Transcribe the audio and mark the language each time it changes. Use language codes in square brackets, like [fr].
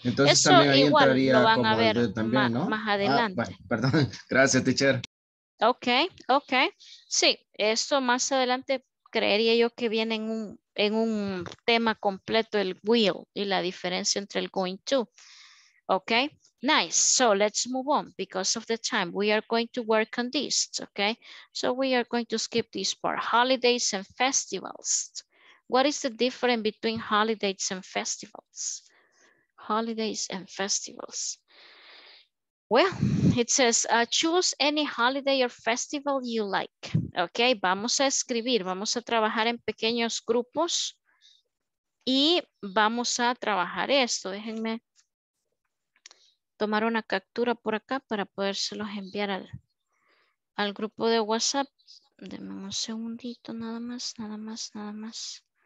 [es] Entonces eso también ahí igual lo van a ver también, ¿no? Más adelante. Ah, perdón, gracias, teacher. Ok. Sí, esto más adelante creería yo que viene en un tema completo el will y la diferencia entre el going to. [en] Okay, nice. So let's move on because of the time. We are going to work on this, okay? So we are going to skip this part. Holidays and festivals. What is the difference between holidays and festivals? Holidays and festivals. Well, it says, choose any holiday or festival you like. [es] Okay, vamos a escribir, vamos a trabajar en pequeños grupos y vamos a trabajar esto. Déjenme tomar una captura por acá para podérselos enviar al grupo de WhatsApp. Denme un segundito, nada más, nada más, nada más.